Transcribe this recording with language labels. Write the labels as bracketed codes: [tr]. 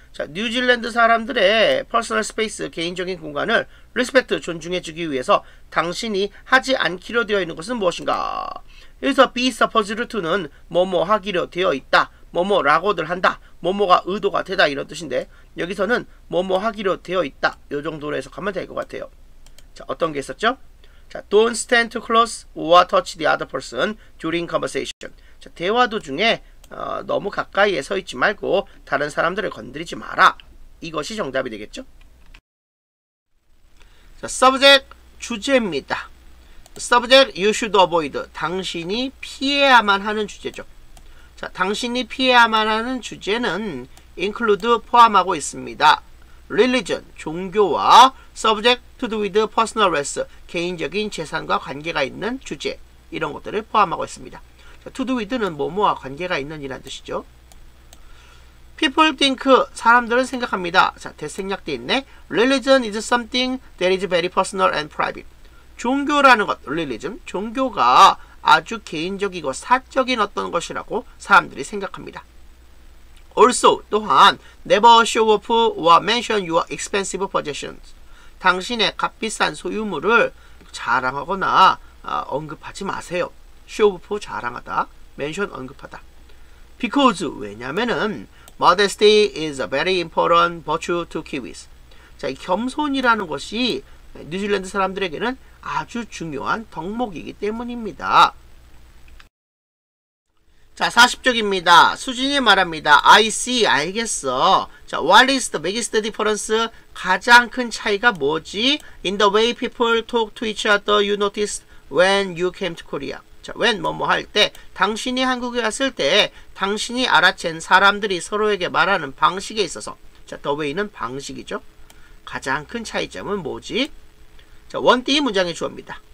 [ko] 자, 뉴질랜드 사람들의 퍼스널 스페이스, 개인적인 공간을 리스펙트, 존중해주기 위해서 당신이 하지 않기로 되어 있는 것은 무엇인가? 여기서 be supposed to는 뭐뭐 하기로 되어 있다, 뭐뭐라고들 한다, 뭐뭐가 의도가 되다 이런 뜻인데 여기서는 뭐뭐 하기로 되어 있다 요 정도로 해석하면 될 것 같아요. 자, 어떤 게 있었죠? [en] 자, don't stand too close or touch the other person during conversation. [ko] 자, 대화 도중에 너무 가까이에 서 있지 말고 다른 사람들을 건드리지 마라. 이것이 정답이 되겠죠? [en] 자, subject [ko] 주제입니다. [en] Subject you should avoid. [ko] 당신이 피해야만 하는 주제죠. 자, 당신이 피해야만 하는 주제는 include 포함하고 있습니다. Religion 종교와 [en] subject to do with personal rest [ko] 개인적인 재산과 관계가 있는 주제 이런 것들을 포함하고 있습니다. To do with는 뭐뭐와 관계가 있는 이란 뜻이죠. [en] People think, [ko] 사람들은 생각합니다. 자, 대생략되어 있네. [en] Religion is something that is very personal and private. [ko] 종교라는 것, religion, 종교가 아주 개인적이고 사적인 어떤 것이라고 사람들이 생각합니다. [en] Also, 또한, never show off or mention your expensive possessions. [ko] 당신의 값비싼 소유물을 자랑하거나 언급하지 마세요. show off 자랑하다, mention 언급하다. [en] Because, 왜냐면은, modesty is a very important virtue to Kiwis. [ko] 자, 이 겸손이라는 것이 뉴질랜드 사람들에게는 아주 중요한 덕목이기 때문입니다. 자, 40쪽입니다. 수진이 말합니다. [en] I see, [ko] 알겠어. [en] 자, what is the biggest difference? [ko] 가장 큰 차이가 뭐지? [en] In the way people talk to each other, you noticed when you came to Korea. [ko] 자, when, 뭐뭐 할 때, 당신이 한국에 왔을 때, 당신이 알아챈 사람들이 서로에게 말하는 방식에 있어서, 자, the way는 방식이죠. 가장 큰 차이점은 뭐지? 자, 원띠 문장의 주어입니다.